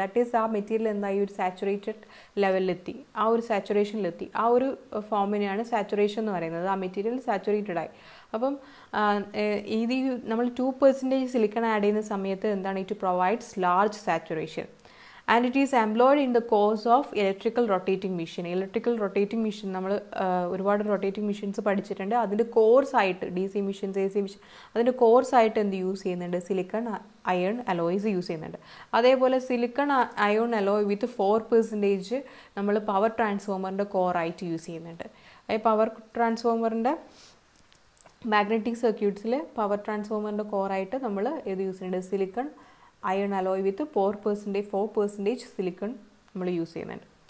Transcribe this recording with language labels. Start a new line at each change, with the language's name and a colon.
English: that is
Malayalam: ആ material എന്തായി ഒരു സാച്ചുറേറ്റഡ് ലെവലിലെത്തി, ആ ഒരു സാച്ചുറേഷനിലെത്തി, ആ ഒരു ഫോമിനെയാണ് സാച്ചുറേഷൻ എന്ന് പറയുന്നത്. ആ മെറ്റീരിയൽ സാച്ചുറേറ്റഡ് ആയി. അപ്പം ഇത് നമ്മൾ 2% സിലിക്കൺ ആഡ് ചെയ്യുന്ന സമയത്ത് എന്താണ്
English: It provides large saturation. And it is employed in the course of electrical rotating machine.
Malayalam: Electrical rotating machine, നമ്മൾ ഒരുപാട് rotating machines പഠിച്ചിട്ടുണ്ട്. അതിൻ്റെ കോഴ്സ് ആയിട്ട് D C machines, A C machine, അതിൻ്റെ കോഴ്സ് ആയിട്ട് എന്ത് യൂസ് ചെയ്യുന്നുണ്ട്, സിലിക്കൺ അയൺ അലോയ്സ് യൂസ് ചെയ്യുന്നുണ്ട്. അതേപോലെ സിലിക്കൺ അയൺ അലോയ് വിത്ത് 4% നമ്മൾ പവർ ട്രാൻസ്ഫോമറിൻ്റെ കോർ ആയിട്ട് യൂസ് ചെയ്യുന്നുണ്ട്. പവർ ട്രാൻസ്ഫോമറിൻ്റെ മാഗ്നറ്റിക് സർക്യൂട്ട്സിൽ പവർ ട്രാൻസ്ഫോമറിൻ്റെ കോർ ആയിട്ട് നമ്മൾ ഇത് യൂസ് ചെയ്യുന്നുണ്ട്, സിലിക്കൺ അയൺ അലോയ് വിത്ത് 4% സിലിക്കൺ നമ്മൾ യൂസ് ചെയ്യുന്നുണ്ട്.